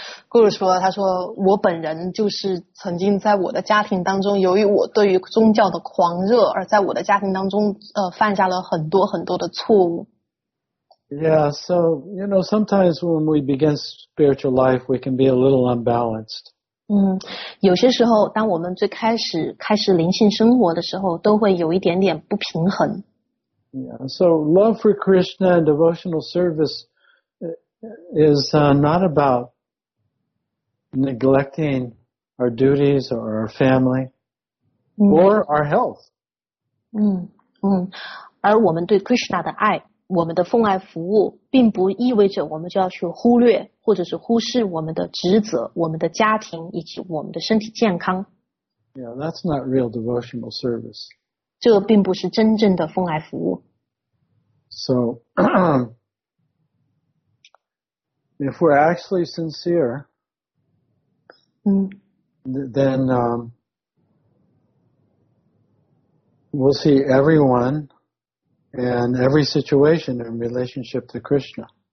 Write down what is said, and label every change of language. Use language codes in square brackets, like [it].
[zh] Guru 说，他说我本人就是曾经在我的家庭当中，由于我对于宗教的狂热，而在我的家庭当中，犯下了很多很多的错误。 [en] Yeah, so, you know, sometimes when we begin spiritual life, we can be a little unbalanced. [zh] 有些时候当我们最开始灵性生活的时候都会有一点点不平衡。 [en] Yeah, so love for Krishna and devotional service is not about neglecting our duties or our family or our health. [zh] 而我们对 Krishna 的爱我们的奉爱服务并不意味着我们就要去忽略或者是忽视我们的职责我们的家庭以及我们的身体健康。 [en] Yeah, that's not real devotional service. [zh] 这并不是真正的奉爱服务。 [en] So, if we're actually sincere, then we'll see everyone and every situation in relationship to Krishna.